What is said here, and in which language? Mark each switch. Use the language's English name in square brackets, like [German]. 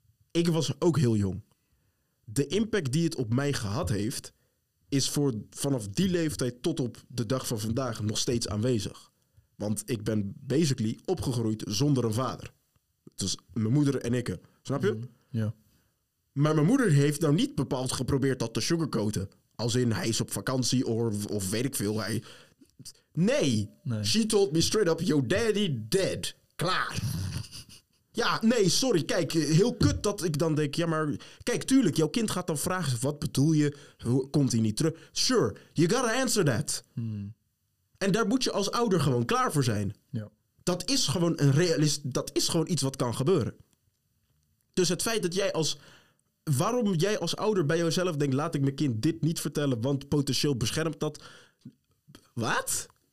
[Dutch] Ik was ook heel jong. De impact die het op mij gehad heeft, is voor vanaf die leeftijd tot op de dag van vandaag nog steeds aanwezig. Want ik ben basically opgegroeid zonder een vader. Dus mijn moeder en ik. Snap je? Ja. Maar mijn moeder heeft nou niet bepaald geprobeerd dat te sugarcoaten. Als in, hij is op vakantie of weet ik veel. Nee. [English] She told me straight up, your daddy dead. [Dutch] Klaar. Ja, nee, sorry. Kijk, heel kut dat ik dan denk, ja, maar kijk, tuurlijk, jouw kind gaat dan vragen, wat bedoel je? Komt hij niet terug? [English] Sure, you gotta answer that. [Dutch] En daar moet je als ouder gewoon klaar voor zijn. Ja. Dat is gewoon een realist. Dat is gewoon iets wat kan gebeuren. Dus het feit dat jij als... Waarom jij als ouder bij jezelf denkt, laat ik mijn kind dit niet vertellen, want potentieel beschermt dat. Wat?